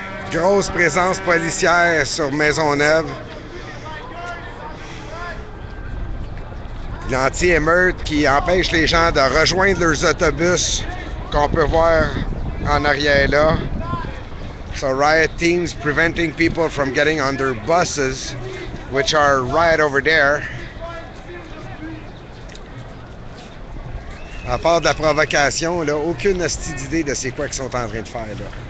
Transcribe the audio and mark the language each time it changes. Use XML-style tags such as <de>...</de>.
<fr>Grosse présence policière sur Maisonneuve. L'anti-émeute qui empêche les gens de rejoindre leurs autobus qu'on peut voir en arrière là.</fr> <en>So riot teams preventing people from getting on their buses, which are right over there.</en> <fr>À part de la provocation, là, aucune astuce d'idée de c'est quoi qu'ils sont en train de faire là.</fr>